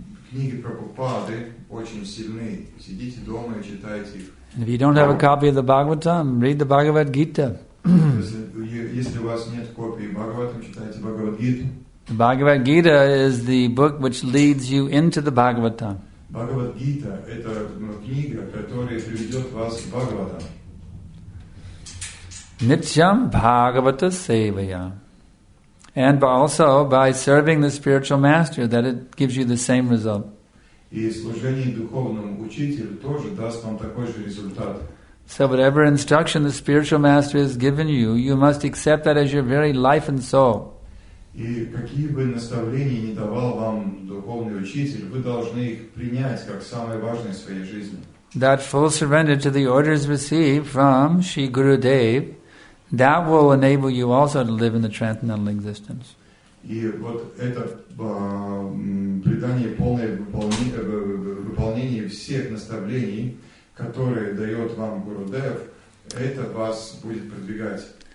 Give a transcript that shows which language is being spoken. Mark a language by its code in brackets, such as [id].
[ru] Книги Прабхупады очень сильны. Сидите дома и читайте их. [en] And if you don't have a copy of the Bhagavatam, read the Bhagavad Gita. [ru] Если у вас нет копии Бхагаватам, читайте Бхагавад Гиту. [en] The Bhagavad Gita is the book which leads you into the Bhagavatam. [ru] Бхагавад Гита – это книга, которая приведет вас к Бхагаватам. [sa] Нитьям Бхагавата Севая. [en] And also by serving the spiritual master, that it gives you the same result. [ru] И служение духовному учителю тоже даст вам такой же результат. [en] So whatever instruction the spiritual master has given you, you must accept that as your very life and soul. [ru] И какие бы наставления ни давал вам духовный учитель, вы должны их принять как самое важное в своей жизни. [en] That full surrender to the orders received from Sri Gurudev, that will enable you also to live in the transcendental existence. [ru] И вот это предание полное выполнение всех наставлений, которые дает вам Гурудев, это вас будет продвигать.